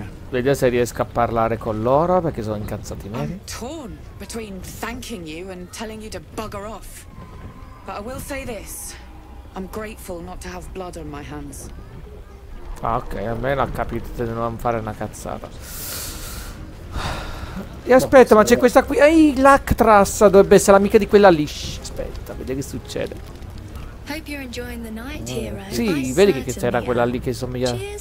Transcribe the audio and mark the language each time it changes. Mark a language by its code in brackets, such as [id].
[it] Vediamo se riesco a parlare con loro perché sono incazzati neri. [en] I'm torn between thanking you and telling you to bugger off. But I will say this. I'm grateful not to have blood on my hands. [it] Ah, ok, almeno ha capito di non fare una cazzata. E aspetta, no, ma c'è questa qui. Ehi, l'Actras dovrebbe essere l'amica di quella lì. Aspetta, vedi che succede. [en] Hope you're enjoying the night here, right? [it] Sì, vedi che c'era quella lì che somiglia.